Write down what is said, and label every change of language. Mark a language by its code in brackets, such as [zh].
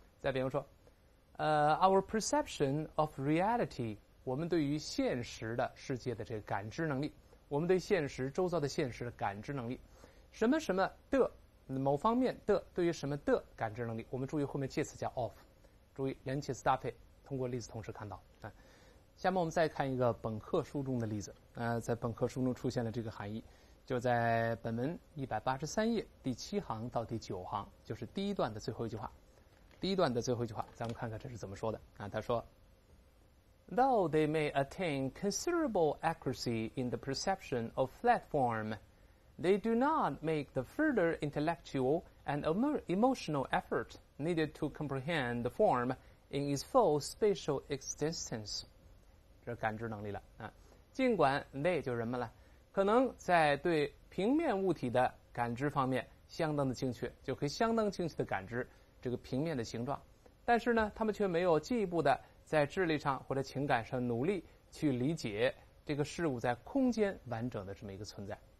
[zh] 再比如说 [en] our perception of reality， [zh] 我们对于现实的世界的这个感知能力，我们对现实周遭的现实的感知能力，什么什么的某方面的对于什么的感知能力，我们注意后面介词加 of， 注意连介词搭配，通过例子同时看到啊。下面我们再看一个本课书中的例子，在本课书中出现了这个含义，就在本文183页第7行到第9行，就是第一段的最后一句话。第一段的最后一句话，咱们看看这是怎么说的啊？他说 [en] ：“Though they may attain considerable accuracy in the perception of flat form, they do not make the further intellectual and emotional effort needed to comprehend the form in its full spatial existence。” [zh] 这是感知能力了啊！尽管 they 就人们了。可能在对平面物体的感知方面相当的精确，就可以相当精确的感知这个平面的形状，但是呢，他们却没有进一步的在智力上或者情感上努力去理解这个事物在空间完整的这么一个存在。